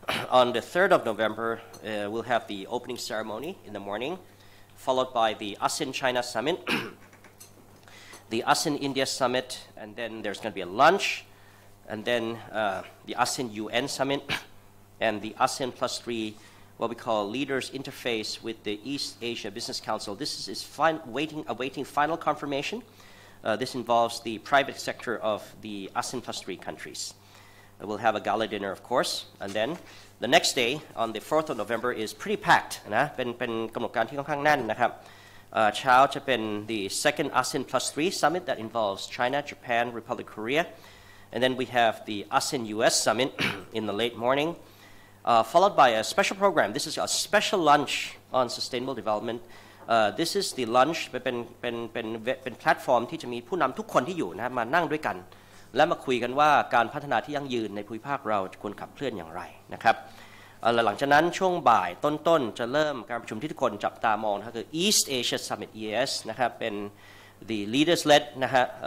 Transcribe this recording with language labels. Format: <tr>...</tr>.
<en>On the 3rd of November, we'll have the opening ceremony in the morning, followed by the ASEAN-China Summit, the ASEAN-India Summit, and then there's going to be a lunch, and then the ASEAN-UN Summit, and the ASEAN Plus 3, what we call Leaders Interface with the East Asia Business Council. This is awaiting final confirmation. This involves the private sector of the ASEAN Plus 3 countries. We'll have a gala dinner, of course, and then the next day, on the 4th of November, is pretty packed.</en> <th>นะ เป็นกำหนดการที่ค่อนข้างแน่นนะครับ เช้าจะเป็น</th> <en>the second ASEAN Plus 3 Summit that involves China, Japan, Republic of Korea. And then we have the ASEAN-US Summit in the late morning, followed by a special program. This is a special lunch on sustainable development. This is the lunch</en> <th>เป็น platform ที่จะมีผู้นำทุกคนที่อยู่นะมานั่งด้วยกันและมาคุยกันว่าการพัฒนาที่ยั่งยืนในภูมิภาคเราควรขับเคลื่อนอย่างไรนะครับและหลังจากนั้นช่วงบ่ายต้นๆจะเริ่มการประชุมที่ทุกคนจับตามองนะคือ East Asia Summit EAS นะครับเป็น</th> <en>the leaders led</en> <th>นะฮะ</th>